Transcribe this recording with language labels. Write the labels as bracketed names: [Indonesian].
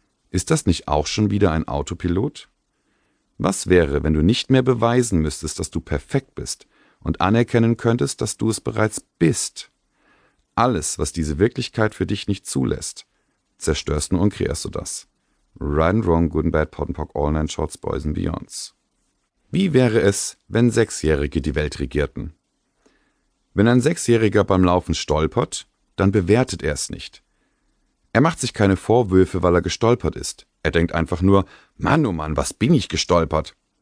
[German] Ist das nicht auch schon wieder ein Autopilot? Was wäre, wenn du nicht mehr beweisen müsstest, dass du perfekt bist und anerkennen könntest, dass du es bereits bist? Alles, was diese Wirklichkeit für dich nicht zulässt, zerstörst du und kreierst du das. [English] Right and wrong, good and bad, pot and pock, all 9 shorts, boys and beyonds. [German] Wie wäre es, wenn 6-Jährige die Welt regierten? Wenn ein 6-Jähriger beim Laufen stolpert, dann bewertet er es nicht. Er macht sich keine Vorwürfe, weil er gestolpert ist. Er denkt einfach nur, Mann, oh Mann, was bin ich gestolpert?